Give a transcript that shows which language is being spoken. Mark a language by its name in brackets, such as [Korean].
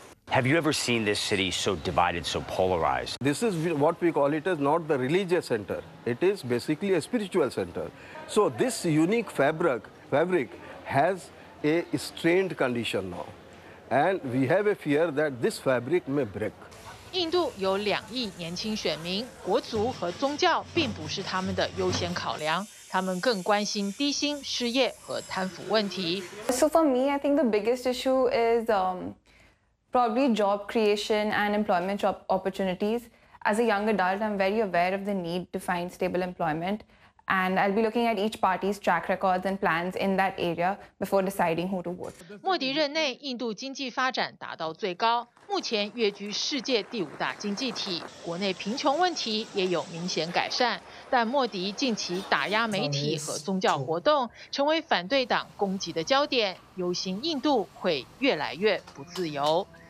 [English] Have you ever seen this city so divided, so polarized? This is what we call it as not the religious center. It is basically a spiritual center. So this unique fabric has a strained condition now. And we have a fear that this fabric may break. [Chinese] 印度有两亿年轻选民，国族和宗教并不是他们的优先考量。他们更关心低薪、失业和贪腐问题。 [English] So for me, I think the biggest issue is, probably job creation and employment job opportunities. As a young adult, I'm very aware of the need to find stable employment, and I'll be looking at each party's track records and plans in that area before deciding who to vote. [Chinese] 莫迪任内，印度经济发展达到最高，目前跃居世界第五大经济体，国内贫穷问题也有明显改善。但莫迪近期打压媒体和宗教活动，成为反对党攻击的焦点，忧心印度会越来越不自由。